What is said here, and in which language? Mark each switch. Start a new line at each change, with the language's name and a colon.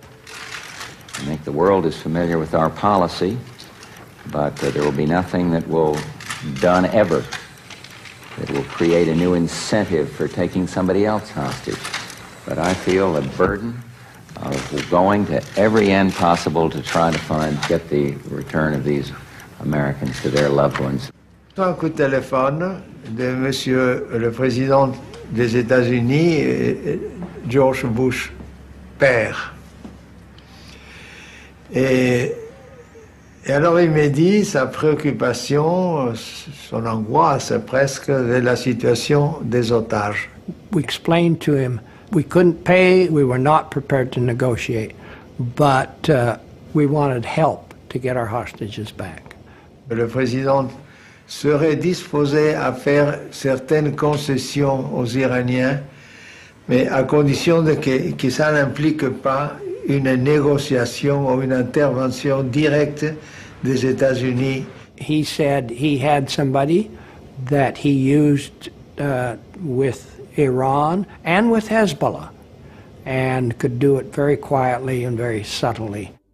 English: I think the world is familiar with our policy, but there will be nothing that will done ever that will create a new incentive for taking somebody else hostage. But I feel a burden of going to every end possible to try to get the return of these Americans to their loved ones.
French: Un coup de téléphone de Monsieur le Président des États-Unis, George Bush, père. Et alors il m'a dit sa préoccupation, son angoisse presque, de la situation des otages.
English: We explained to him we couldn't pay, we were not prepared to negotiate, but we wanted help to get our hostages back.
French: Le président serait disposé à faire certaines concessions aux Iraniens, mais à condition que ça n'implique pas une négociation ou une intervention directe des États-Unis.
English: he said he had somebody that he used with Iran and with Hezbollah and could do it very quietly and very subtly.